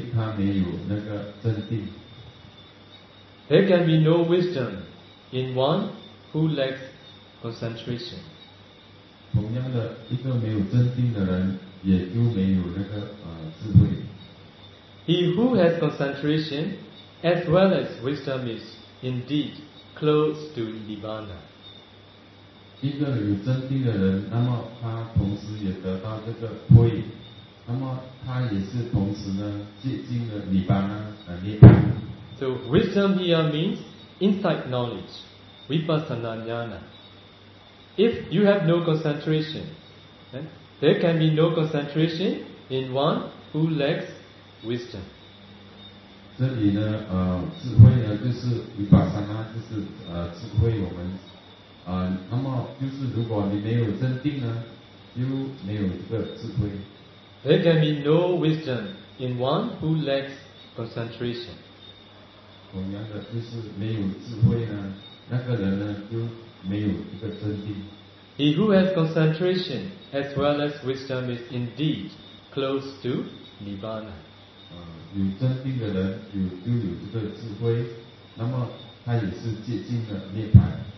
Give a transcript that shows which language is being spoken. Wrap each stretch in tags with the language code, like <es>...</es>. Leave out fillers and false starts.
<zh>一个人如果没有这个智慧呢，是因为他没有那个真定。</zh> <en>There can be no wisdom in one who lacks concentration.</en> <zh>同样的一个没有真定的人也就没有那个智慧。</zh> <en>He who has concentration as well as wisdom is indeed close to Nibbana.</en> <zh>一个有真定的人，那么他同时也得到这个慧眼，那么他也是同时呢接近了Nibbana的涅槃。</zh> <en>So wisdom here means insight knowledge, vipassana jnana. If you have no concentration, then there can be no concentration in one who lacks wisdom.</en> <zh>这里呢，智慧呢就是vipassana，就是智慧。我们那么就是如果你没有真定呢，就没有这个智慧。</zh> <en>There can be no wisdom in one who lacks concentration.</en> <zh>同样的，就是没有智慧呢，那个人呢就没有一个真定。</zh> <en>He who has concentration as well as wisdom is indeed close to Nibbana.</en> <zh>有真定的人有就有这个智慧，那么他也是接近了涅槃。</zh>